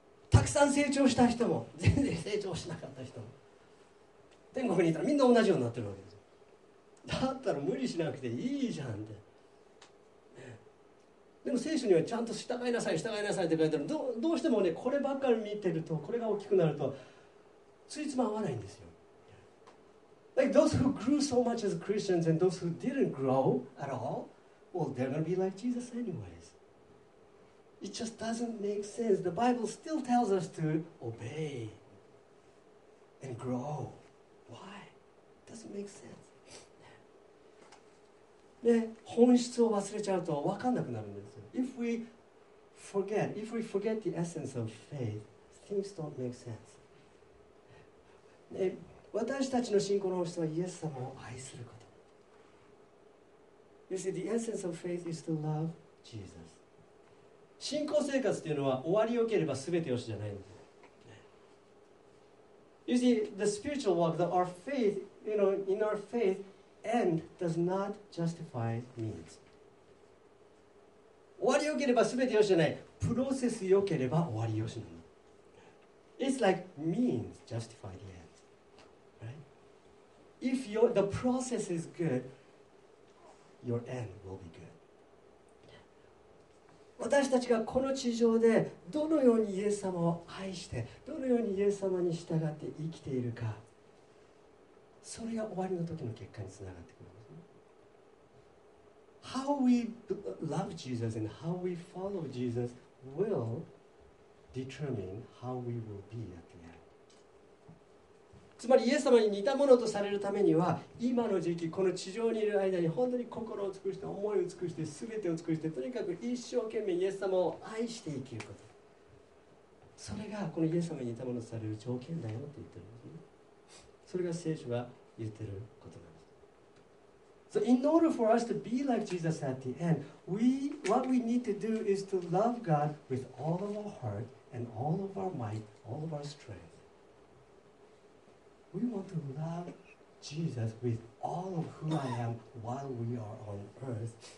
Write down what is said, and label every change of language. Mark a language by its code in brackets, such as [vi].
[ja] たくさん成長した人も、全然成長しなかった人も、天国にいたらみんな同じようになってるわけですよ。だったら無理しなくていいじゃんって。でも聖書にはちゃんと従いなさい、従いなさいって書いてある。どうしてもね、こればっかり見てると、これが大きくなると、ついつま合わないんですよ。 [en] Like those who grew so much as Christians and those who didn't grow at all, well, they're gonna be like Jesus anyways. It just doesn't make sense. The Bible still tells us to obey and grow. Why? doesn't make sense. [ja] で、本質を忘れちゃうと分かんなくなるんです。 [en] If we forget the essence of faith, things don't make sense. [ja] で、私たちの信仰の本質はイエス様を愛すること。 [en] You see, the essence of faith is to love Jesus. [ja] 信仰生活というのは終わりよければ全てよしじゃないんです。 [en] You see, the spiritual walk, our faith, you know, in our faith, end does not justify means. [ja] 終わりよければ全てよしじゃない。プロセスよければ終わりよしなの。 [en] It's like means justify the end. Right? If the process is good, your end will be good. [ja] 私たちがこの地上でどのようにイエス様を愛して、どのようにイエス様に従って生きているか、それが終わりの時の結果につながってくるんですね。 [en] How we love Jesus and how we follow Jesus will determine how we will be at the end. [ja] つまりイエス様に似たものとされるためには、今の時期この地上にいる間に本当に心を尽くして、思いを尽くして、すべてを尽くして、とにかく一生懸命イエス様を愛して生きること。それがこのイエス様に似たものとされる条件だよって言ってるんですね。それが聖書が言ってることなんです。 [en] So in order for us to be like Jesus at the end, what we need to do is to love God with all of our heart and all of our might, all of our strength. We want to love Jesus with all of who I am while we are on earth.